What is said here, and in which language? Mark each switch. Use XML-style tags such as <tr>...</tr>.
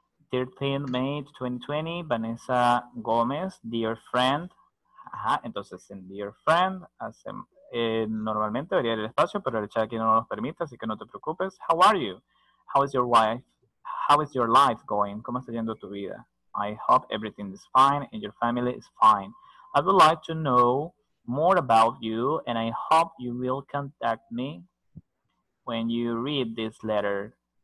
<en>13 May 2020, Vanessa Gómez, dear friend.</en> <es>Ajá, entonces en dear friend, normalmente debería ir el espacio, pero el chat aquí no nos permite, así que no te preocupes.</es> <en>How are you? How is your wife? How is your life going?</en> <es>¿Cómo está yendo tu vida?</es> <en>I hope everything is fine and your family is fine. I would like to know more about you and I hope you will contact me when you read this letter.</en>